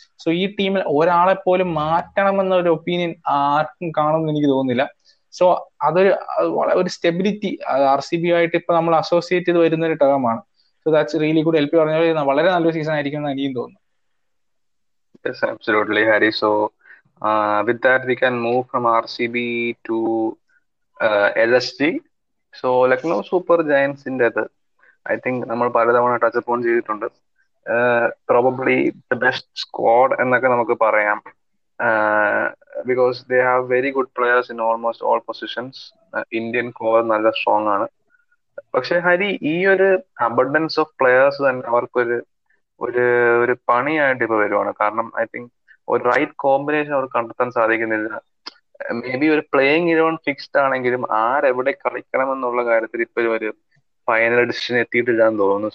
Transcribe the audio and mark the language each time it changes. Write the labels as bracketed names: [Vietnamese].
[Malayalam] So ഈ ടീമിൽ ഒരാളെ പോലും മാറ്റണമെന്നൊരു ഒപ്പീനിയൻ ആർക്കും കാണുമെന്ന് എനിക്ക് തോന്നുന്നില്ല. സോ അതൊരു വളരെ ഒരു സ്റ്റെബിലിറ്റി ആർ സി ബി ആയിട്ട് ഇപ്പൊ നമ്മൾ അസോസിയേറ്റ് ചെയ്ത് വരുന്ന ഒരു ടേമാണ്. [English] So that's really good. [Malayalam] L P പറഞ്ഞ പോലെ വളരെ നല്ലൊരു സീസൺ ആയിരിക്കും എന്ന് എനിക്കും തോന്നുന്നു. [English] Yes, absolutely, Harry. So, with that, we can move from RCB to LSG. So, Lucknow Super Giants in that, I think [Malayalam] നമ്മൾ പലതവണ ടച്ച് അപ്പ് ഓൺ ചെയ്തിട്ടുണ്ട്. [English] Probably the best squad [Malayalam] എന്നൊക്കെ നമുക്ക് പറയാം. [English] Because they have very good players in almost all positions. [Malayalam] Indian core നല്ല strong ആണ്. പക്ഷേ ഹരി, ഈ ഒരു [English] abundance of players [Malayalam] തന്നെ അവർക്കൊരു ഒരു ഒരു പണിയായിട്ട് ഇപ്പൊ വരുവാണ്. കാരണം ഐ തിങ്ക് ഒരു റൈറ്റ് കോമ്പിനേഷൻ അവർ കണ്ടെത്താൻ സാധിക്കുന്നില്ല. മേ ബി ഒരു പ്ലേയിങ് 11 ഫിക്സ്ഡ് ആണെങ്കിലും ആരെവിടെ കളിക്കണം എന്നുള്ള കാര്യത്തിൽ ഇപ്പൊ ഒരു ഫൈനൽ ഡിസിഷൻ എത്തിയിട്ടില്ല എന്ന് തോന്നുന്നു.